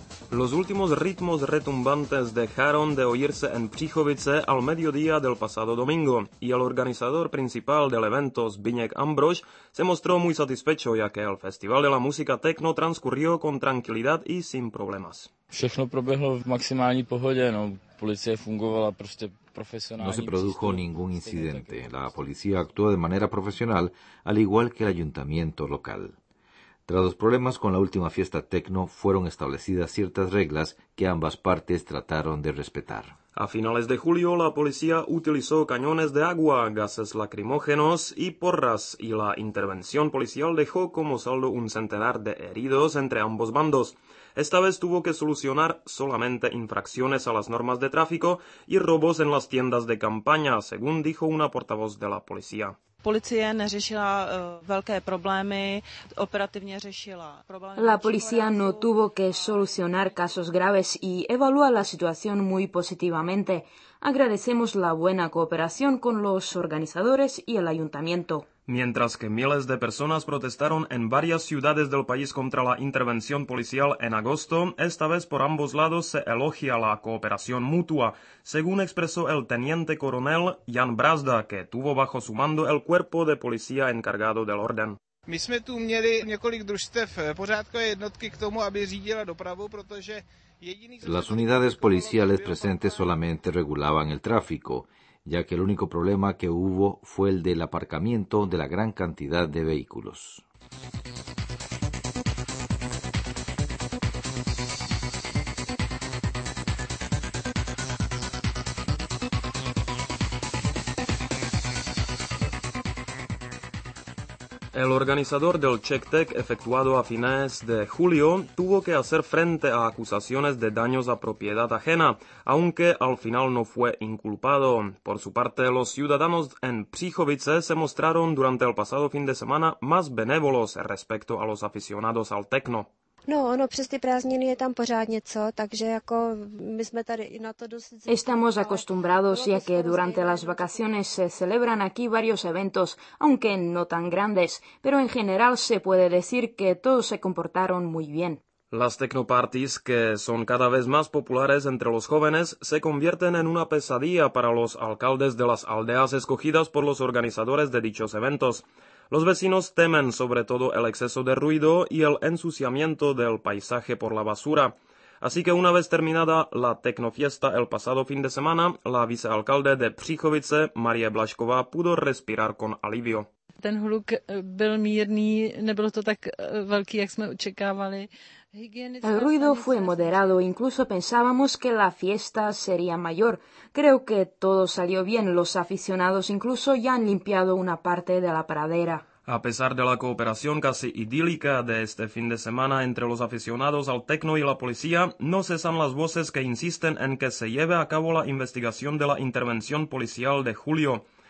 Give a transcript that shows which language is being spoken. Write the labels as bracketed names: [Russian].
[Spanish] Los últimos ritmos retumbantes dejaron de oírse en Přichovice al mediodía del pasado domingo, y el organizador principal del evento, Zbigniew Ambroś, se mostró muy satisfecho, ya que el Festival de la Música Tecno transcurrió con tranquilidad y sin problemas. [Czech] Všechno proběhlo v maximální pohodě, no, policie fungovala prostě profesionálně. [Spanish] No se produjo ningún incidente. La policía actuó de manera profesional, al igual que el ayuntamiento local. Tras los problemas con la última fiesta tecno, fueron establecidas ciertas reglas que ambas partes trataron de respetar. A finales de julio, la policía utilizó cañones de agua, gases lacrimógenos y porras, y la intervención policial dejó como saldo un centenar de heridos entre ambos bandos. Esta vez tuvo que solucionar solamente infracciones a las normas de tráfico y robos en las tiendas de campaña, según dijo una portavoz de la policía. [Czech] Policie neřešila velké problémy, operativně řešila problémy. [Spanish] La policía no tuvo que solucionar casos graves y evalúa la situación muy positivamente. Agradecemos la buena cooperación con los organizadores y el ayuntamiento. Mientras que miles de personas protestaron en varias ciudades del país contra la intervención policial en agosto, esta vez por ambos lados se elogia la cooperación mutua, según expresó el teniente coronel Jan Brazda, que tuvo bajo su mando el cuerpo de policía encargado del orden. [Czech] My jsme tu měli několik družstev pořádkové jednotky k tomu, aby řídila dopravu, protože jediný... [Spanish] Las unidades policiales presentes solamente regulaban el tráfico, ya que el único problema que hubo fue el del aparcamiento de la gran cantidad de vehículos. El organizador del Czech Tech efectuado a fines de julio tuvo que hacer frente a acusaciones de daños a propiedad ajena, aunque al final no fue inculpado. Por su parte, los ciudadanos en Přichovice se mostraron durante el pasado fin de semana más benévolos respecto a los aficionados al techno. [Czech] No, ono přes ty prázdniny je tam pořád něco, takže jako my jsme tady i na to dosť... [Spanish] Estamos acostumbrados, ya que durante las vacaciones se celebran aquí varios eventos, aunque no tan grandes, pero en general se puede decir que todos se comportaron muy bien. Las tecnoparties, que son cada vez más populares entre los jóvenes, se convierten en una pesadilla para los alcaldes de las aldeas escogidas por los organizadores de dichos eventos. Los vecinos temen sobre todo el exceso de ruido y el ensuciamiento del paisaje por la basura. Así que una vez terminada la tecnofiesta el pasado fin de semana, la vicealcalde de Přichovice, Marie Blažková, pudo respirar con alivio. [Czech] Ten hluk byl mírný, nebylo to tak velký, jak jsme očekávali. [Spanish] El ruido fue moderado, incluso pensábamos que la fiesta sería mayor. Creo que todo salió bien, los aficionados incluso ya han limpiado una parte de la pradera. A pesar de la cooperación casi idílica de este fin de semana entre los aficionados al tecno y la policía, no cesan las voces que insisten en que se lleve a cabo la investigación de la intervención policial de julio.